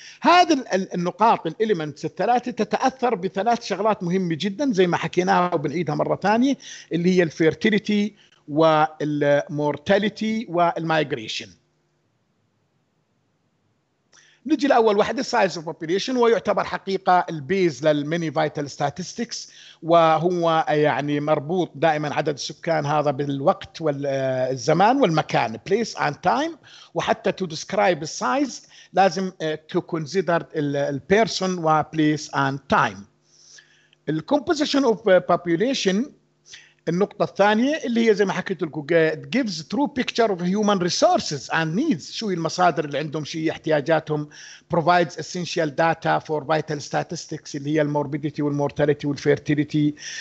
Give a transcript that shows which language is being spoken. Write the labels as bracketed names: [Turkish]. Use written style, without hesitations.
[Arabic] هذه النقاط الاليمنتس الثلاثه تتاثر بثلاث شغلات مهمه جدا زي ما حكيناها وبنعيدها مره ثانيه، اللي هي الفيرتيليتي والمورتاليتي والمايجريشن. نجي لأول واحدة [English] size of population، [Arabic] ويعتبر حقيقة البيز للميني vital statistics، وهو يعني مربوط دائما عدد السكان هذا بالوقت والزمان والمكان [English] place and time. [Arabic] وحتى [English] to describe the size [Arabic] لازم [English] to consider the person place and time. Composition of population [Arabic] النقطة الثانية اللي هي زي ما حكيت لكم [English] gives true picture of human resources and needs، [Arabic] شو هي المصادر اللي عندهم، شو هي احتياجاتهم، [English] provides essential data for vital statistics [Arabic] اللي هي الموربيديتي والمورتاليتي والفيرتيليتي،